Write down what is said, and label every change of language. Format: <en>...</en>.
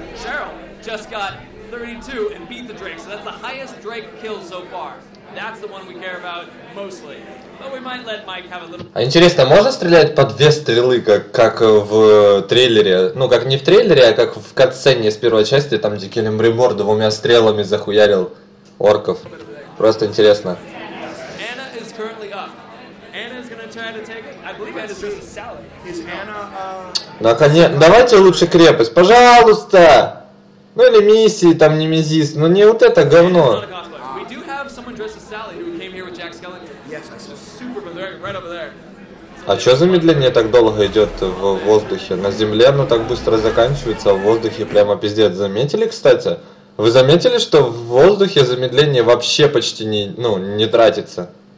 <en>Cheryl just got 32 and beat the Drake, so that's the highest Drake kill so far. That's the one we care about mostly. But we might let Mike have a little...</en> <ru>А интересно, можно стрелять по две стрелы, как в трейлере? Ну, как не в трейлере, а как в катсцене с первой части, там, где Келлимбримор двумя стрелами захуярил орков. Просто интересно.</ru> <en>Anna is currently up. Anna's gonna try to take... I believe Anna's just a salad. Is Anna,</en> <ru>Наконец... Давайте лучше крепость, пожалуйста! Ну или миссии, там не мизис, но не вот это говно.</ru> <en>We do have someone dressed as Sally who came here with Jack Skellington. Yes, I saw. Super, right over there.</en> <ru>А чё замедление так долго идёт в воздухе? На земле оно так быстро заканчивается, а в воздухе прямо пиздец. Заметили, кстати? Вы заметили, что в воздухе замедление вообще почти не, ну, не тратится?</ru>